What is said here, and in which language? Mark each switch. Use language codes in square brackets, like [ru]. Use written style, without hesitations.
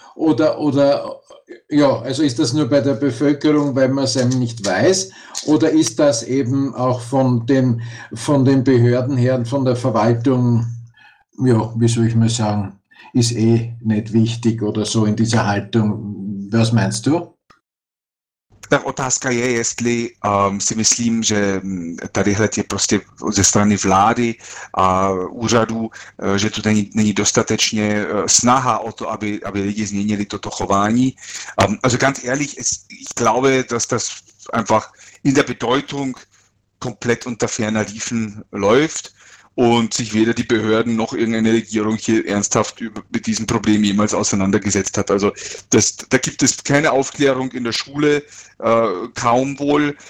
[de] Oder ja, also ist das nur bei der Bevölkerung, weil man es eben nicht weiß? Oder ist das eben auch von den Behörden her, von der Verwaltung, ja, wie soll ich mal sagen, ist eh nicht wichtig oder so in dieser Haltung. Was meinst du? [cs] Tak otázka je, jestli si myslím, že tadyhle je prostě ze strany vlády a úřadů, že to není dostatečně snaha o to, aby lidi změnili toto chování. [de] Also ganz ehrlich, ich glaube, dass das einfach in der Bedeutung komplett unter ferner Liefen läuft. Und sich weder die Behörden noch irgendeine Regierung hier ernsthaft mit diesem Problem jemals auseinandergesetzt hat. Also da gibt es keine Aufklärung in der Schule, kaum wohl.